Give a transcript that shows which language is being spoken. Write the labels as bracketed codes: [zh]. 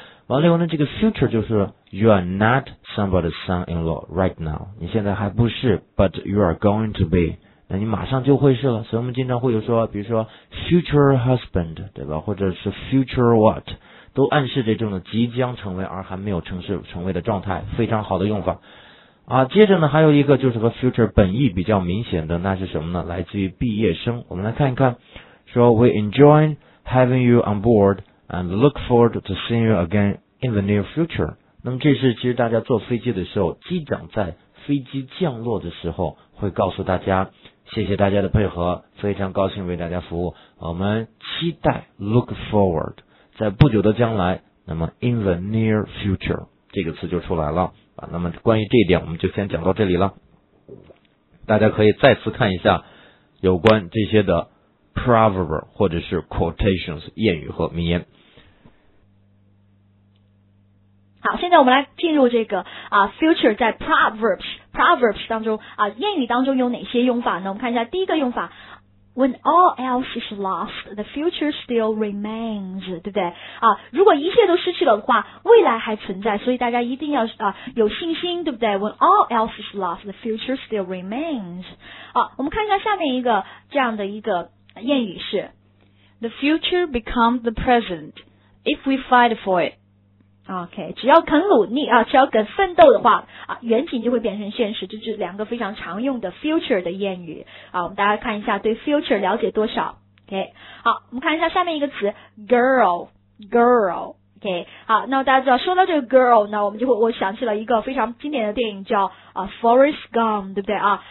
[zh] 完了以后呢，这个 future 就是 [en] you are not somebody's son-in-law right now， [zh] 你现在还不是， [en] but you are going to be， [zh] 那你马上就会是了。所以我们经常会有说，比如说 [en] future husband， [zh] 对吧？或者是 future what， 都暗示着这种即将成为而还没有成为的状态，非常好的用法。啊，接着呢还有一个就是和 future 本意比较明显的，那是什么呢？来自于毕业生，我们来看一看，说 [en] We enjoy having you on board and look forward to seeing you again in the near future。 [zh] 那么这是其实大家坐飞机的时候，机长在飞机降落的时候会告诉大家，谢谢大家的配合，非常高兴为大家服务，我们期待 look forward 在不久的将来，那么 in the near future 这个词就出来了啊。那么关于这一点我们就先讲到这里了，大家可以再次看一下有关这些的 proverb 或者是 quotations 谚语和名言。好，现在我们来进入这个啊 future 在 proverbs 当中啊谚语当中有哪些用法呢？我们看一下第一个用法， [en] When all else is lost, the future still remains, [zh] 对不对？啊，如果一切都失去了的话，未来还存在，所以大家一定要啊有信心，对不对 ？ [en] When all else is lost, the future still remains. [zh] 啊，我们看一下下面一个这样的一个谚语是 [en] ，The future becomes the present if we fight for it. [zh] OK， 只要肯努力啊，只要肯奋斗的话啊，远景就会变成现实，这是两个非常常用的 future 的谚语啊。我们大家看一下对 future 了解多少 ？OK， 好，我们看一下下面一个词 ，girl，girl。 OK， 好，那大家知道说到这个 girl 呢，我想起了一个非常经典的电影叫啊《Forrest Gump》，对不对啊？